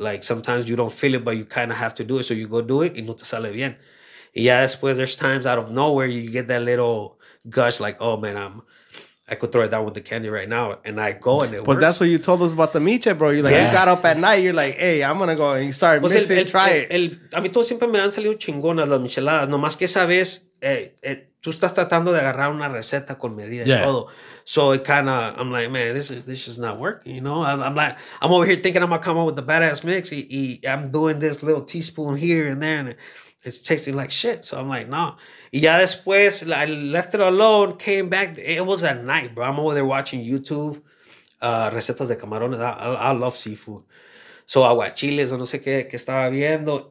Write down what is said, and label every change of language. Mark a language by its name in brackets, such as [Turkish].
[English] Like sometimes you don't feel it, but you kind of have to do it. So you go do it, [Spanish] y no te sale bien. Y ya después, [English] there's times out of nowhere you get that little gush, like, oh man, I could throw it down with the candy right now, and I go and it but works. But that's what you told us about the miche, bro. You like you got up at night, you're like, hey, I'm gonna go and you start [Spanish] pues [English] mixing, try it. [Spanish] A mí todo siempre me han salido chingonas las micheladas. Nomás que esa vez, tú estás tratando de agarrar una receta con medida y todo. [English] So it kind of, I'm like, man, this is not working, you know? I'm over here thinking I'm going to come up with the badass mix. Y I'm doing this little teaspoon here and there. And, it's tasting like shit. So I'm like, nah. [Spanish] Y ya después, [English] I left it alone, came back. It was at night, bro. I'm over there watching YouTube. [Spanish] Recetas de camarones. [English] I love seafood. [Spanish] So aguachiles, no sé qué, qué estaba viendo.